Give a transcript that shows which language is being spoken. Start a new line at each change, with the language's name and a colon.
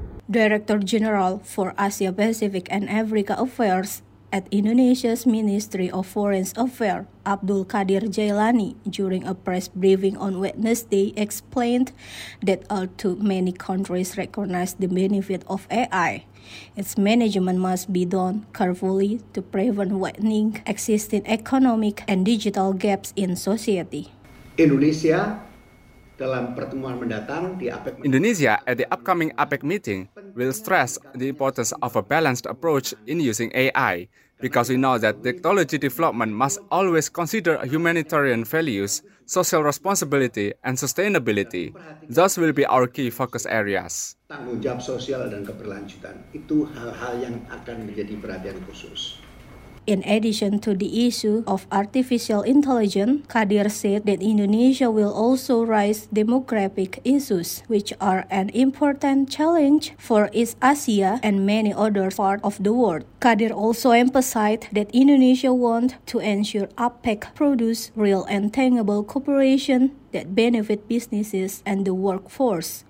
English: Director General for Asia Pacific and Africa Affairs at Indonesia's Ministry of Foreign Affairs, Abdul Qadir Jailani, during a press briefing on Wednesday, explained that all too many countries recognize the benefit of AI. Its management must be done carefully to prevent widening existing economic and digital gaps in society.
Indonesian: Indonesia dalam pertemuan mendatang di APEC.
English: Indonesia at the upcoming APEC meeting will stress the importance of a balanced approach in using AI, because we know that technology development must always consider humanitarian values, social responsibility, and sustainability. Those will be our key focus areas.
Indonesian: Tanggung jawab sosial dan keberlanjutan, itu hal-hal yang akan menjadi perhatian khusus.
English: In addition to the issue of artificial intelligence, Qadir said that Indonesia will also raise demographic issues, which are an important challenge for East Asia and many other parts of the world. Qadir also emphasized that Indonesia wants to ensure APEC produces real and tangible cooperation that benefits businesses and the workforce.